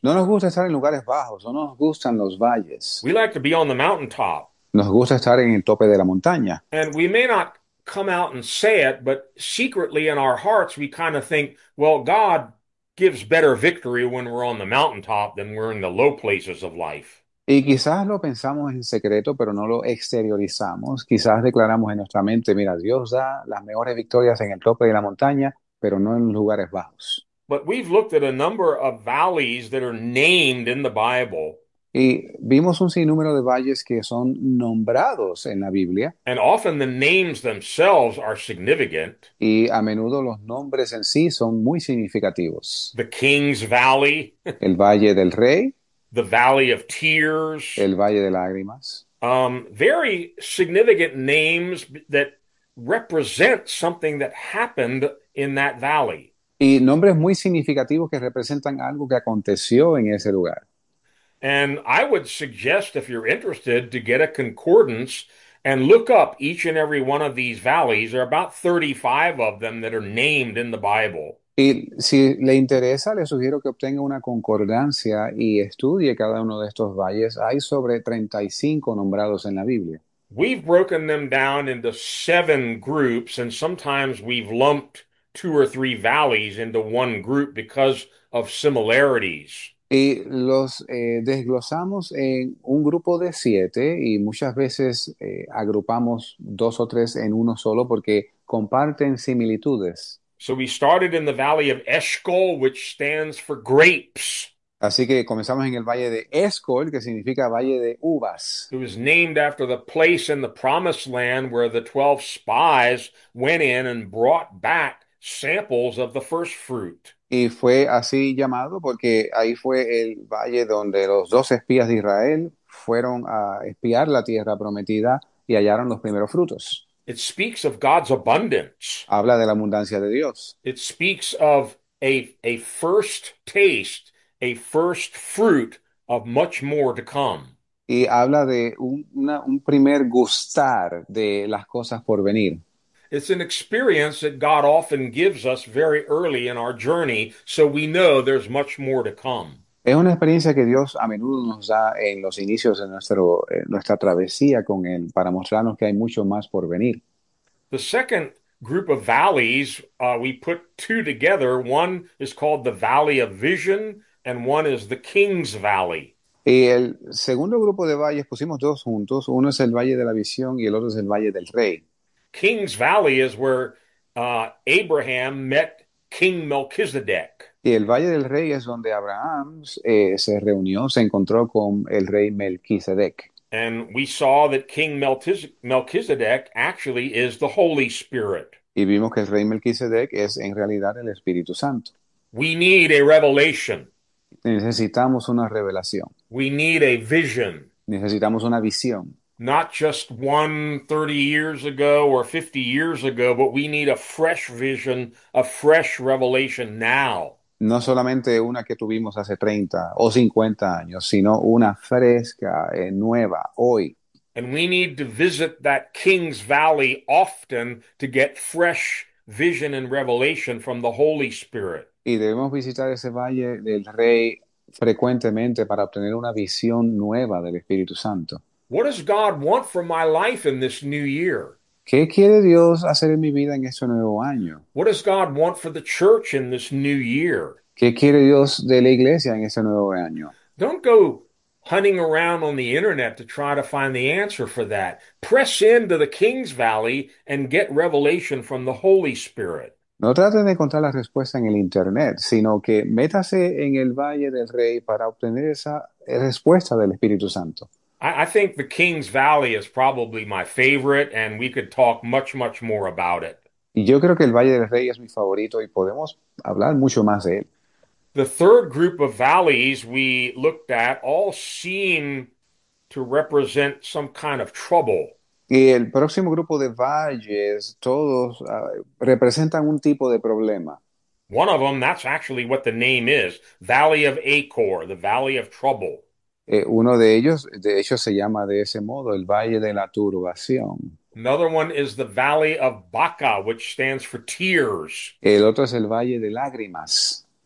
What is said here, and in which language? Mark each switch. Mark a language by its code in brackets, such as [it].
[es] No nos gusta estar en lugares bajos, no nos gustan los valles. [en] We like to be on the mountaintop. [es] Nos gusta estar en el tope de la montaña. [en] And we may not come out and say it, but secretly in our hearts, we kind of think, well, God gives better victory when we're on the mountaintop than we're in the low places of life. [es] Y quizás lo pensamos en secreto, pero no lo exteriorizamos. Quizás declaramos en nuestra mente, mira, Dios da las mejores victorias en el tope de la montaña, pero no en lugares bajos. [en] But we've looked at a number of valleys that are named in the Bible. [es] Y vimos un sinnúmero de valles que son nombrados en la Biblia. [en] And often the names themselves are significant. [es] Y a menudo los nombres en sí son muy significativos. [en] The King's Valley, [es] El Valle del Rey. [en] the Valley of Tears, [es] El Valle de Lágrimas. [en] very significant names that represent something that happened in that valley. [es] Y nombres muy significativos que representan algo que aconteció en ese lugar. [en] And I would suggest, if you're interested, to get a concordance. And look up each and every one of these valleys. There are about 35 of them that are named in the Bible. [es] Y si le interesa, le sugiero que obtenga una concordancia y estudie cada uno de estos valles. Hay sobre 35 nombrados en la Biblia. [en] We've broken them down into seven groups, and sometimes we've lumped two or three valleys into one group because of similarities. [es] Y los desglosamos en un grupo de siete y muchas veces agrupamos dos o tres en uno solo porque comparten similitudes. [en] So we started in the valley of Eshcol, which stands for grapes. [es] Así que comenzamos en el Valle de Escol, que significa Valle de Uvas. [en] It was named after the place in the promised land where the 12 spies went in and brought back samples of the first fruit. [es] Y fue así llamado porque ahí fue el valle donde los 12 espías de Israel fueron a espiar la tierra prometida y hallaron los primeros frutos. [en] It speaks of God's abundance. [es] Habla de la abundancia de Dios. [en] It speaks of a first taste, a first fruit of much more to come. [es] Y habla de un primer gustar de las cosas por venir. [en] It's an experience that God often gives us very early in our journey, so we know there's much more to come. [es] Es una experiencia que Dios a menudo nos da en los inicios de nuestra travesía con Él para mostrarnos que hay mucho más por venir. [en] The second group of valleys, we put two together. One is called the Valley of Vision, and one is the King's Valley. [es] Y el segundo grupo de valles pusimos dos juntos. Uno es el Valle de la Visión y el otro es el Valle del Rey. [en] King's Valley is where Abraham met King Melchizedek. [es] Y el Valle del Rey es donde Abraham se reunió, se encontró con el rey Melquisedec. [en] And we saw that King Melchizedek actually is the Holy Spirit. [es] Y vimos que el rey Melquisedec es en realidad el Espíritu Santo. [en] We need a revelation. [es] Necesitamos una revelación. [en] We need a vision. [es] Necesitamos una visión. [en] Not just one 30 years ago or 50 years ago, but we need a fresh vision, a fresh revelation now. [es] No solamente una que tuvimos hace 30 o 50 años, sino una fresca, nueva, hoy. [en] And we need to visit that King's Valley often to get fresh vision and revelation from the Holy Spirit. [es] Y debemos visitar ese Valle del Rey frecuentemente para obtener una visión nueva del Espíritu Santo. [en] What does God want for my life in this new year? [es] ¿Qué quiere Dios hacer en mi vida en este nuevo año? [en] What does God want for the church in this new year? [es] ¿Qué quiere Dios de la iglesia en este nuevo año? [en] Don't go hunting around on the internet to try to find the answer for that. Press into the King's Valley and get revelation from the Holy Spirit. [es] No trate de encontrar la respuesta en el internet, sino que métase en el Valle del Rey para obtener esa respuesta del Espíritu Santo. [en] I think the King's Valley is probably my favorite, and we could talk much, much more about it. [es] Y yo creo que el Valle del Rey es mi favorito y podemos hablar mucho más de él. [en] The third group of valleys we looked at all seem to represent some kind of trouble. [es] Y el próximo grupo de valles, todos representan un tipo de problema. [en] One of them, that's actually what the name is, Valley of Achor, the Valley of Trouble. [es] Uno de ellos, de hecho, se llama de ese modo, el Valle de la Turbación. [en] Another one is the Valley of Baca, which stands for tears. [es] El otro es el Valle de Lágrimas.